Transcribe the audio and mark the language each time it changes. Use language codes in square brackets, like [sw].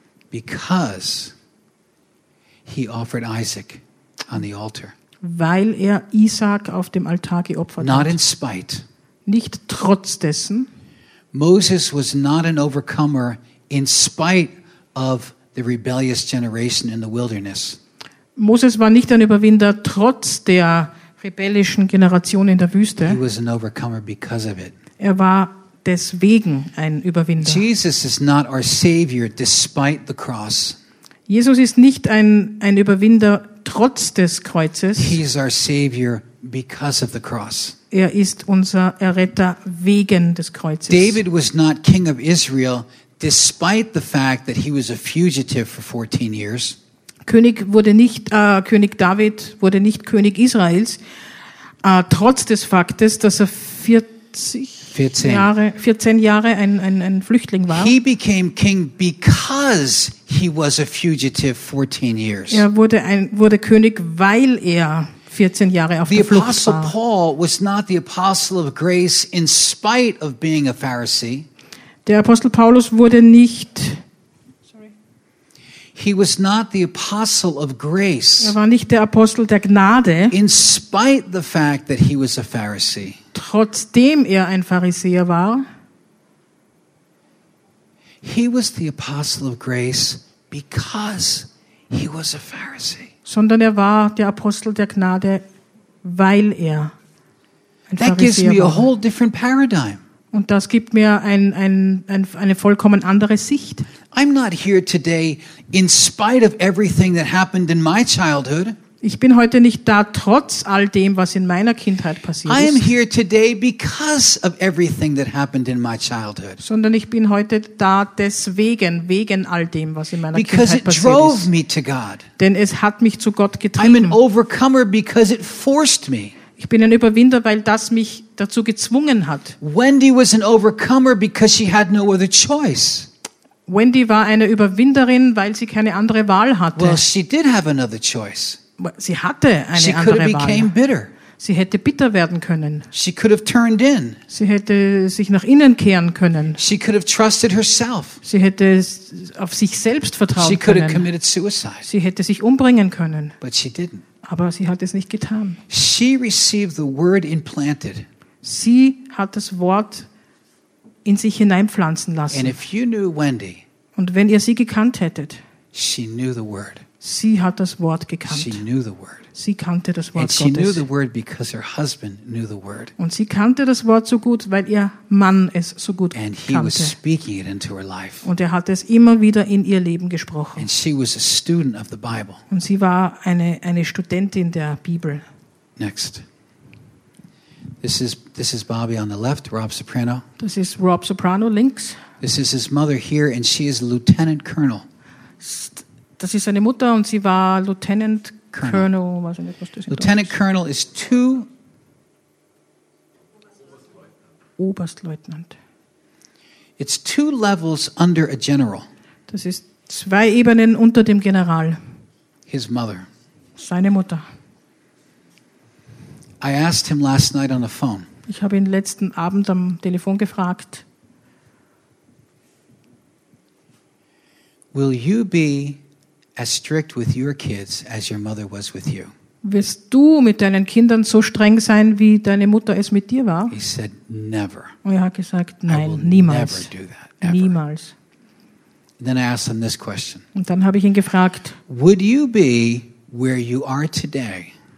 [en] Because he offered Isaac on the altar. [de] weil er Isaak auf dem Altar geopfert hat. [en] Not in spite. [de] Nicht trotz dessen. [en] Moses was not an overcomer in spite of the rebellious generation in the wilderness. [de] Moses war nicht ein Überwinder trotz der rebellischen Generation in der Wüste. [en] He was an overcomer because of it. [de] Er war deswegen ein Überwinder. [en] Jesus is not our savior despite the cross. [de] Jesus ist nicht ein Überwinder trotz des Kreuzes. [en] He is our savior because of the cross. [de] Er ist unser Erretter wegen des Kreuzes. [en] David was not king of Israel despite the fact that he was a fugitive for 14 years. [de] König David wurde nicht König Israels trotz des Faktes, dass er 14 Jahre ein Flüchtling war. [en] He became king because he was a fugitive 14 years. [de] Er wurde König, weil er 14 Jahre auf der Flucht war. [en] The apostle Paul was not the apostle of grace in spite of being a Pharisee. [de] Der Apostel Paulus wurde nicht [en] He was not the apostle of grace. [de] Er war nicht der Apostel der Gnade. [en] In spite the fact that he was a Pharisee. [de] Trotzdem er ein Pharisäer war. [en] He was the apostle of grace because he was a Pharisee. [de] Sondern er war der Apostel der Gnade, weil er ein [en] that gives me [de] war. [en] A whole different paradigm. [de] Und das gibt mir eine vollkommen andere Sicht. [en] I'm not here today in spite of everything that happened in my childhood. [de] Ich bin heute nicht da trotz all dem, was in meiner Kindheit passiert ist. [en] I am here today because of everything that happened in my childhood. [de] Sondern ich bin heute da deswegen, wegen all dem, was in meiner [en] because [de] Kindheit [en] it [de] passiert [en] Me to God. [de] Denn es hat mich zu Gott getrieben. [en] I'm an overcomer because it forced me. [de] Ich bin ein Überwinder, weil das mich dazu gezwungen hat. [en] Wendy was an overcomer because she had no other choice. [de] Wendy war eine Überwinderin, weil sie keine andere Wahl hatte. [en] Well, she did have another choice. [de] Sie hatte eine [en] she [de] andere [en] could have [de] Wahl. [en] Became bitter. [de] Sie hätte bitter werden können. [en] She could have turned in. [de] Sie hätte sich nach innen kehren können. [en] She could have trusted herself. [de] Sie hätte auf sich selbst vertrauen [en] she could [de] können. [en] Have committed suicide. [de] Sie hätte sich umbringen können. [en] But she didn't. [de] Aber sie hat es nicht getan. [en] She received the word implanted. [de] Sie hat das Wort in sich hineinpflanzen lassen. [en] And if you knew Wendy, [de] und wenn ihr sie gekannt hättet, [en] she knew the word. [de] Sie hat das Wort gekannt. [en] She knew the word. [de] Sie kannte das Wort [en] and [de] Gottes. [en] She knew the word because her husband knew the word. [de] Und sie kannte das Wort so gut, weil ihr Mann es so gut [en] and [de] kannte. [en] He was speaking it into her life. [de] Und er hat es immer wieder in ihr Leben gesprochen. [en] And she was a student of the Bible. [de] Und sie war eine Studentin der Bibel. [en] Next. This is Bobby on the left, Rob Soprano. [de] Das ist Rob Soprano links. [en] This is his mother here, and she is Lieutenant Colonel. [de] Das ist seine Mutter und sie war Lieutenant Colonel. Weiß ich nicht, was das ist. [en] Lieutenant Colonel is two. [de] Oberstleutnant. [en] It's two levels under a general. [de] Das ist zwei Ebenen unter dem General. [en] His mother. [de] Seine Mutter. [en] I asked him last night on the phone. [de] Ich habe ihn letzten Abend am Telefon gefragt. [en] Will you be as strict with your kids as your mother was with you? [de] Wirst du mit deinen Kindern so streng sein, wie deine Mutter es mit dir war? [en] He said never. [de] Und er hat gesagt, nein, niemals. [en] Never do that, ever. [de] Niemals. [en] And then I asked him this question. [de] Und dann habe ich ihn gefragt, [en] would you be where you are today?